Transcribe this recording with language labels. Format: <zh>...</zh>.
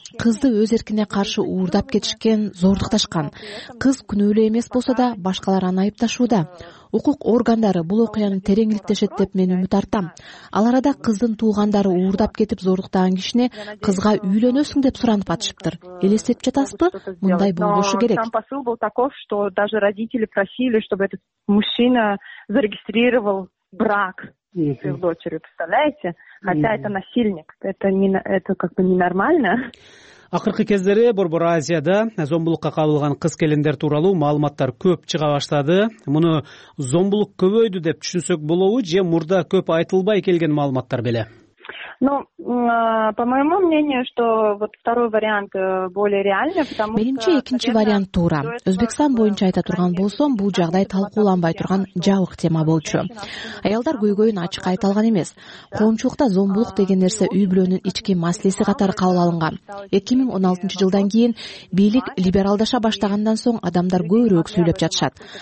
<ky>Кызды өз эркине каршы уурдап кетишкен, зордукташкан. Кыз күнөөлүү эмес болсо да башкалар аны айыпташууда. Укук органдары бул окуяны терең иликтешет деп мен үмүт артам. Ал арада кыздын туугандары уурдап кетип зордуктаган кишине кызга үйлөнөсүң деп суранып атышыптыр. Элестетип жатасызбы? Мындай болушу керек.</ky> <ru>Там посыл был таков, что даже родители просили, чтобы этот мужчина зарегистрировал брак с дочерью, представляете? Хотя это насильник. Это как бы ненормально.</ru> <ky>Акыркы кездери Борбор Азияда зомбулукка кабылган кыз келиндер тууралуу маалыматтар көп чыга баштады. Муну зомбулук көбөйдү деп түшүнсөк болобу же мурда көп айтылбай келген маалыматтар беле?</ky> <ru>Ну, по моему мнению, что вот второй вариант более реальный, потому что</ru> <ky>менимче экинчи вариант туура. Өзбекстан боюнча айта турган болсом, бул жагдай талкууланбай турган жабык тема болчу. Аялдар көйгөйүн ачык айта алган эмес. Коомчулукта зомбулук деген нерсе үй бүлөнүн ички маселеси катары кабыл алынган. 2016 жылдан кийин бийлик либералдаша баштагандан соң адамдар көбүрөөк сүйлөп жатышат.</ky>